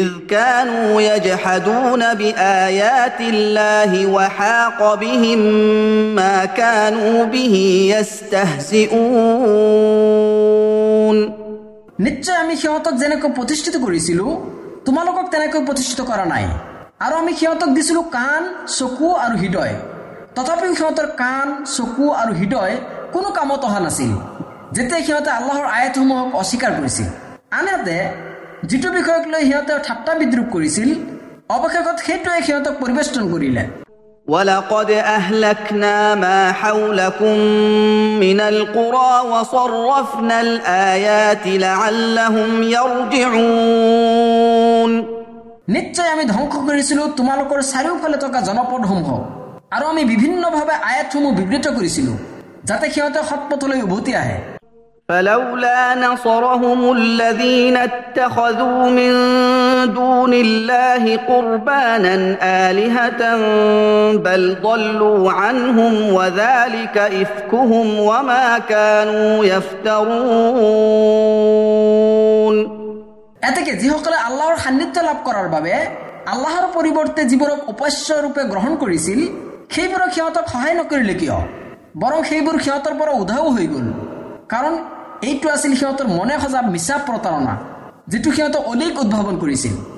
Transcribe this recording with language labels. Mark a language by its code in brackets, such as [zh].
[ar] كانوا يجحدون بآيات الله وحاق بهم ما كانوا به يستهزئون [as] নিশ্চয় আমি সিহঁতক যেনেকৈ প্ৰতিষ্ঠিত কৰিছিলো তোমালোকক তেনেকৈ প্ৰতিষ্ঠিত কৰা নাই আৰু আমি সিহঁতক দিছিলো কাণ চকু আৰু হৃদয় তথাপিও সিহঁতৰ কাণ চকু আৰু হৃদয় কোনো কামত অহা নাছিল যেতিয়া সিহঁতে আল্লাহৰ আয়াতসমূহক অস্বীকাৰ কৰিছিল আনহাতে যিটো বিষয়ক লৈ সিহঁতে ঠাট্টা বিদ্ৰোপ কৰিছিল অৱশেষত সেইটোৱে সিহঁতক পৰিৱেষ্টন কৰিলে [ar] ولقد أهلكنا ما حولكم من القرى وصرفنا الآيات لعلهم يرجعون [as] নিশ্চয় আমি ধ্বংস কৰিছিলো তোমালোকৰ চাৰিওফালে থকা জনপদসমূহ আৰু আমি বিভিন্নভাৱে আয়াতসমূহ বিবৃত কৰিছিলো যাতে সিহঁতে সৎপথলৈ উভতি আহে [ar] فلولا نصرهم الذين اتخذوا من دون الله قربانا آلهة بل ضلوا عنهم وذلك إفكهم وما كانوا يفترون [as] এতেকে যিসকলে আল্লাহৰ সান্নিধ্য লাভ কৰাৰ বাবে আল্লাহৰ পৰিৱৰ্তে যিবোৰক উপাস্য ৰূপে গ্ৰহণ কৰিছিল সেইবোৰক সিহঁতক সহায় নকৰিলে কিয় বৰং সেইবোৰ সিহঁতৰ পৰা উধাও হৈ গল কাৰণ এইটো আছিল সিহঁতৰ মনে সজা মিছা প্ৰতাৰণা যিটো সিহঁতে অধিক উদ্ভাৱন কৰিছিল